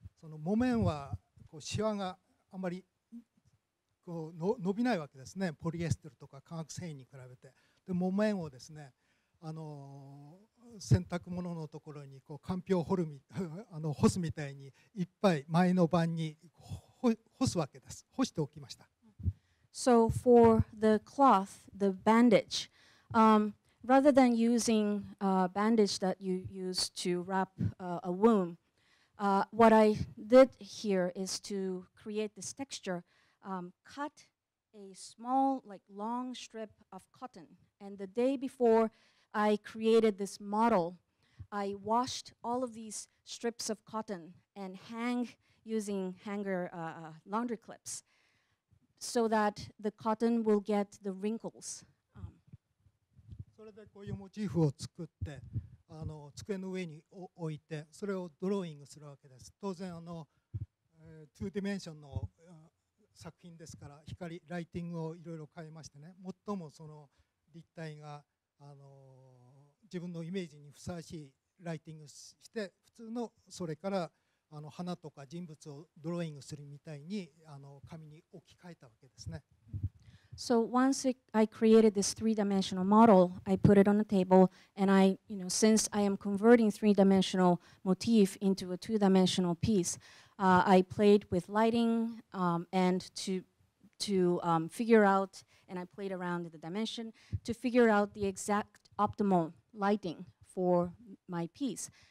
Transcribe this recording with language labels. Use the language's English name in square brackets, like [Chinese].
[Japanese] その木綿はこうシワがあまりこう伸びないわけですね、ポリエステルとか化学繊維に比べて。で木綿をですね、あの洗濯物のところにこうかんぴょうを掘るみあの干すみたいにいっぱい前の晩に干すわけです。干しておきました。 [English] So for the cloth, the bandage, rather than using a bandage that you use to wrap a womb, what I did here is to create this texture, cut a small, like long strip of cotton, and the day beforeI created this model. I washed all of these strips of cotton and hang using hanger laundry clips so that the cotton will get the wrinkles. [Japanese] それでこういうモチーフを作ってあの机の上に置いてそれをドローイングするわけです。当然あの2ディメンションの作品ですから光、ライティングをいろいろ変えましてね、最もその立体があの自分のイメージにふさわしいライティングして普通のそれからあの花とか人物をドローイングするみたいにあの紙に置き換えたわけですね。 [English] So once I created this three-dimensional model, I put it on the table, and I, you know, since I am converting three-dimensional motif into a two-dimensional piece, I played with lighting and to figure out, and I played around the dimension to figure out the exact optimal lighting for my piece.